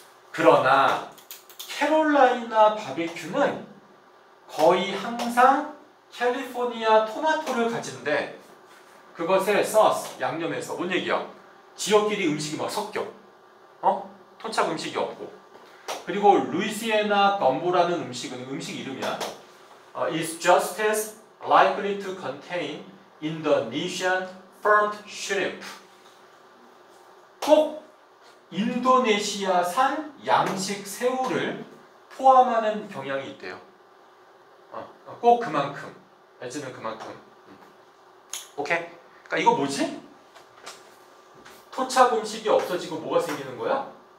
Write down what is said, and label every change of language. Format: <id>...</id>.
<ko>그러나 캐롤라이나 바베큐는 거의 항상 캘리포니아 토마토를 가지는데 그것을 써왔어. 양념해서. 뭔 얘기야? 지역끼리 음식이 막 섞여. 어? 토착 음식이 없고. 그리고 루이시애나 덤보라는 음식은 음식 이름이야.</ko> <en>It's just as likely to contain Indonesian farmed shrimp.</en> <ko>꼭 인도네시아산 양식 새우를 포함하는 경향이 있대요. 꼭 그만큼. 알지는 그만큼. 오케이? 그러니까 이거 뭐지? 토착 음식이 없어지고 뭐가 생기는 거야?</ko>